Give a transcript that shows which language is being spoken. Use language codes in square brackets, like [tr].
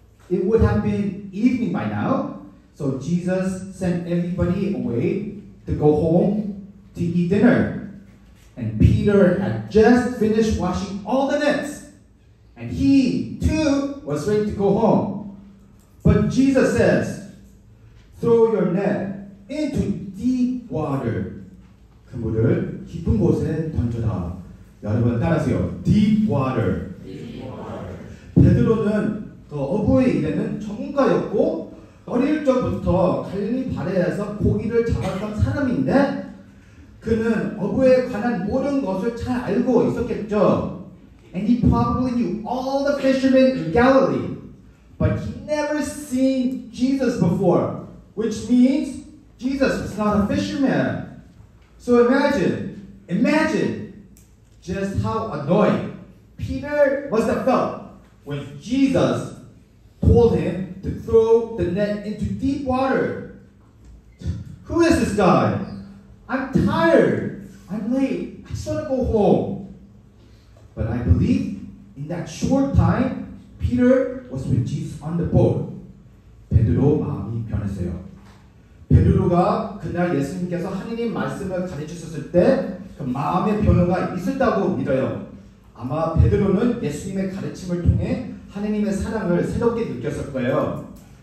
[en] It would have been evening by now, so Jesus sent everybody away to go home to eat dinner. And Peter had just finished washing all the nets, and he too was ready to go home. But Jesus says, throw your net into deep water. [ko] 그물을 깊은 곳에 던져라. 여러분 따라하세요. [en] Deep water. Deep water. [ko] 베드로는 그 어부의 일에는 전문가였고 어릴 적부터 갈릴리 바다에서 고기를 잡았던 사람인데 그는 어부에 관한 모든 것을 잘 알고 있었겠죠. [en] And he probably knew all the fishermen in Galilee. But he never seen Jesus before, which means Jesus was not a fisherman. So imagine just how annoyed Peter must have felt when Jesus told him to throw the net into deep water. Who is this guy? I'm tired. I'm late. I just want to go home. But I believe in that short time, Peter was with Jesus on the boat. [ko] 베드로 마음이 변했어요. 베드로가 그날 예수님께서 하느님 말씀을 가르쳤을 때 그 마음의 변화가 있었다고 믿어요. 아마 베드로는 예수님의 가르침을 통해 하느님의 사랑을 새롭게 느꼈을 거예요.